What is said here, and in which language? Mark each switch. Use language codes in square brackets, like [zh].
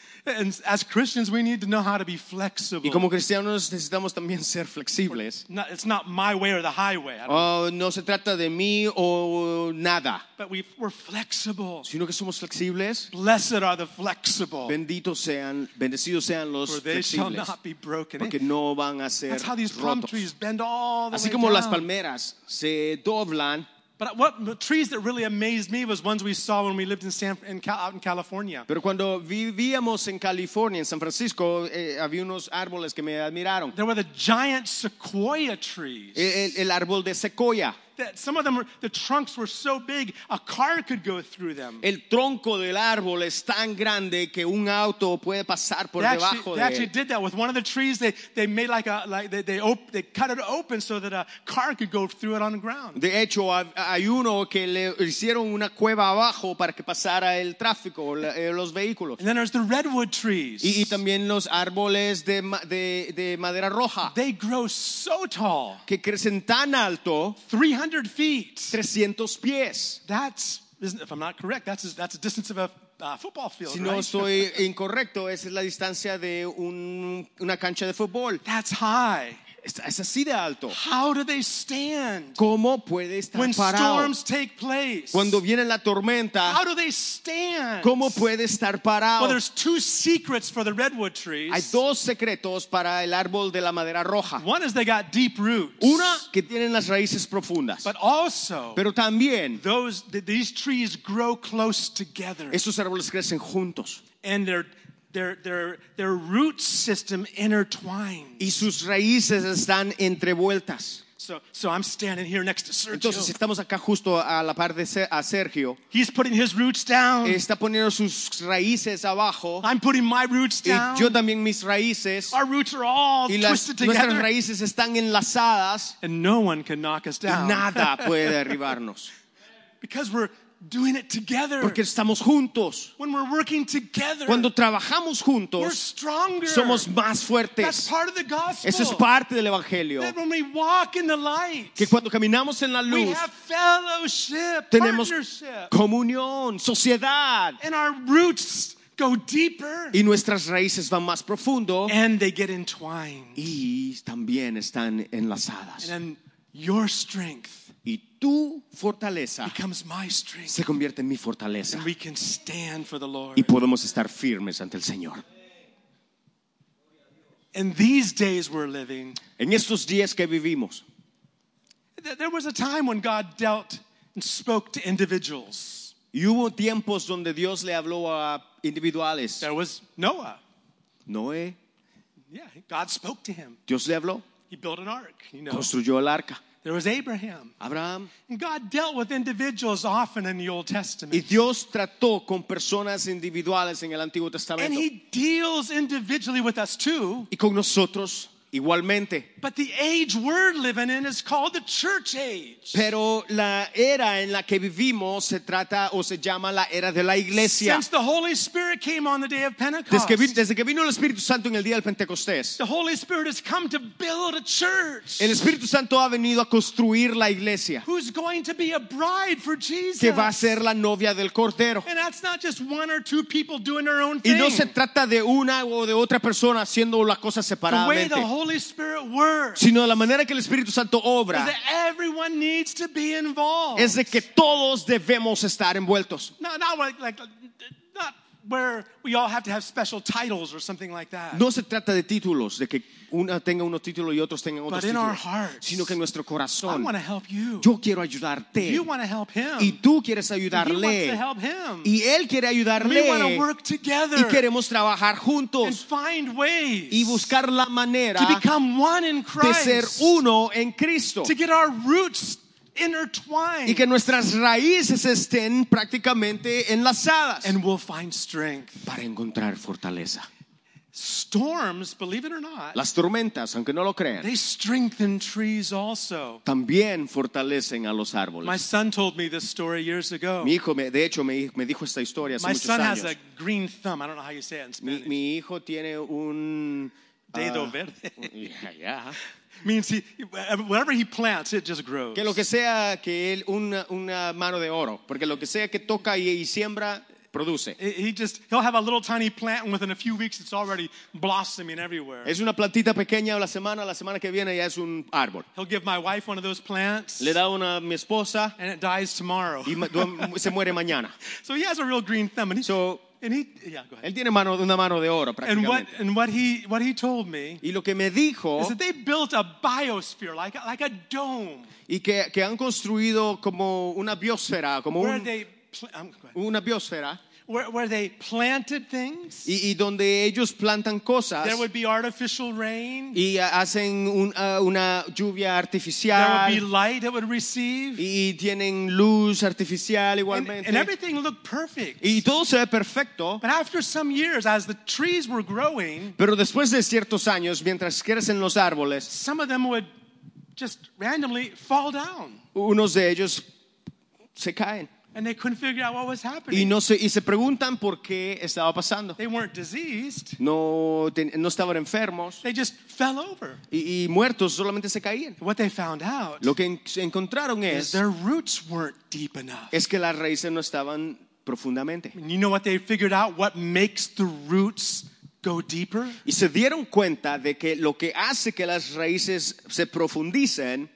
[en] And as Christians, we need to know how to be flexible. [es] Y como cristianos necesitamos también ser flexibles. [en] It's not my way or the highway. [es] No se trata de mí o nada. [en] But we're flexible. [es] Sino que somos flexibles. [en] Blessed are the flexible. [es] Bendecidos sean los flexibles. [en] For they [es] flexibles, [en] shall not be broken. [es] Porque no van a ser rotos. [en] That's how these [es] rotos. [en] Palm trees bend all the [es] Así [en] way [es] Así como [en] down. [es] Las palmeras se doblan. [en] But what trees that really amazed me was ones we saw when we lived out in California. [es] Pero cuando vivíamos en California, en San Francisco, había unos árboles que me admiraron. [en] There were the giant sequoia trees. [es] El árbol de sequoia. [en] That some of them, the trunks were so big, a car could go through them. [es] El tronco del árbol es tan grande que un auto puede pasar por [en] actually, [es] debajo de él. [en] They actually did that with one of the trees. They made they cut it open so that a car could go through it on the ground. [es] De hecho, hay uno que le hicieron una cueva abajo para que pasara el tráfico, los vehículos. [en] And then there's the redwood trees. [es] Y también los árboles de madera roja. [en] They grow so tall. [es] Que crecen tan alto. [en] 300 feet. [es] 300 pies. [en] That's, if I'm not correct, that's a distance of a football field. [es] Si no estoy incorrecto, esa es la distancia de una cancha de fútbol. [en] That's high. [es] Es así de alto. [en] How do they stand? [es] ¿Cómo puede estar [en] when [es] parado? [en] Storms take place. [es] Cuando viene la tormenta. [en] How do they stand? [es] ¿Cómo puede estar parado? [en] Well, there's two secrets for the redwood trees. [es] Hay dos secretos para el árbol de la madera roja. [en] One is they got deep roots. [es] Una, que tienen las raíces profundas. [en] But also, [es] pero también, [en] these trees grow close together. [es] Esos árboles crecen juntos. [en] And their root system intertwines. [es] Y sus raíces están entrevueltas. [en] So I'm standing here next to Sergio. [es] Entonces estamos acá justo a la par de a Sergio. [en] He's putting his roots down. [es] Está poniendo sus raíces abajo. [en] I'm putting my roots down. [es] Y yo también mis raíces. [en] Our roots are all [es] y [en] twisted together. [es] Nuestras raíces están enlazadas. [en] And no one can knock us down. [es] Y nada puede derribarnos. [en] Because we're doing it together. [es] Porque estamos juntos. [en] When we're working together. [es] Cuando trabajamos juntos. [en] We're stronger. [es] Somos más fuertes. [en] That's part of the gospel. [es] Eso es parte del evangelio. [en] That when we walk in the light. [es] Que cuando caminamos en la luz. [en] We have fellowship. [es] Tenemos [en] partnership. [es] Comunión, sociedad. [en] And our roots go deeper. [es] Y nuestras raíces van más profundo. [en] And they get entwined. [es] Y también están enlazadas. [en] And then your strength. [es] Y tu fortaleza [en] becomes my strength. [es] Se convierte en mi fortaleza. [en] And we can stand for the Lord. [es] Y podemos estar firmes ante el Señor. [en] In these days we're living, [es] en estos días que vivimos, [en] there was a time when God dealt and spoke to individuals. [es] Y hubo tiempos donde Dios le habló a individuales. [en] There was Noah. [es] Noé. [en] Yeah, God spoke to him. [es] Dios le habló. [en] He built an ark, you know. [es] Construyó el arca. [en] There was Abraham. [es] Abraham. [en] And God dealt with individuals often in the Old Testament. [es] Y Dios trató con personas individuales en el Antiguo Testamento. [en] And he deals individually with us too. [es] Y con nosotros igualmente. [en] But the age we're living in is called the church age. [es] Pero la era en la que vivimos se trata o se llama la era de la iglesia. [en] Since the Holy Spirit came on the day of Pentecost. [es] Desde que vino el Espíritu Santo en el día del Pentecostés. [en] The Holy Spirit has come to build a church. [es] El Espíritu Santo ha venido a construir la iglesia. [en] Who's going to be a bride for Jesus? [es] Que va a ser la novia del Cordero. [en] And that's not just one or two people doing their own thing. [es] Y no se trata de una o de otra persona haciendo la cosa separadamente. [en] The Holy Spirit works. [es] Sino la manera que el Espíritu Santo obra. [en] Is that everyone needs to be involved. [es] Es de que todos debemos estar envueltos. [en] No, not like not where we all have to have special titles or something like that. [es] No se trata de títulos, de que una tenga unos títulos y otros tengan otros [en] But in our hearts, [es] sino que en nuestro corazón. [en] I want to help you. [es] Yo quiero ayudarte. [en] You want to help him. [es] Y tú quieres ayudarle. [en] He wants to help him. [es] Y él quiere ayudarle. [en] We want to work together. [es] Y queremos trabajar juntos. [en] And find ways. [es] Y buscar la manera. [en] To become one in Christ. [es] De ser uno en Cristo. [en] To get our roots intertwined. [es] Y que nuestras raíces estén prácticamente enlazadas. [en] And we'll find strength. [es] Para encontrar fortaleza. [en] Storms, believe it or not, [es] las tormentas, aunque no lo crean, [en] they strengthen trees also. [es] También fortalecen a los árboles. [en] My son told me this story years ago. [es] Mi hijo, de hecho, me dijo esta historia hace muchos años. [en] My son has a green thumb. I don't know how you say it in Spanish. [es] Mi hijo tiene un dedo verde. [en] Yeah, yeah. Means he, whatever he plants, it just grows. [es] Que lo que sea que él una mano de oro, porque lo que sea que toca y siembra produce. [en] He'll have a little tiny plant, and within a few weeks, it's already blossoming everywhere. [es] Es una plantita pequeña la semana que viene ya es un árbol. [en] He'll give my wife one of those plants. [es] Le da una mi esposa. [en] And it dies tomorrow. [es] Y se muere mañana. [en] So he has a real green thumb, and he. So, and he, yeah, go ahead. [es] Él tiene una mano de oro, prácticamente. [en] And what he told me, [es] y lo que me dijo, [en] is that they built a biosphere like a dome. [es] Y que han construido como una biosfera, como [en] where [es] un, [en] they [es] una biosfera. [en] Where they planted things. [es] Y donde ellos plantan cosas. [en] There would be artificial rain. [es] Y hacen una lluvia artificial. [en] There would be light that would receive. [es] Y tienen luz artificial igualmente. [en] And everything looked perfect. [es] Y todo se ve perfecto. [en] But after some years, as the trees were growing. [es] Pero después de ciertos años, mientras crecen los árboles. [en] Some of them would just randomly fall down. [es] Unos de ellos se caen. [en] And they couldn't figure out what was happening. [es] Y se preguntan por qué estaba pasando. [en] They weren't diseased. [es] No estaban enfermos. [en] They just fell over. [es] Y muertos solamente se caían. [en] What they found out. [es] Lo que encontraron es. [en] Their roots weren't deep enough. [es] Es que las raíces no estaban profundamente. [en] And you know what they figured out? What makes the roots go deeper? [es] Y se dieron cuenta de que lo que hace que las raíces se profundicen.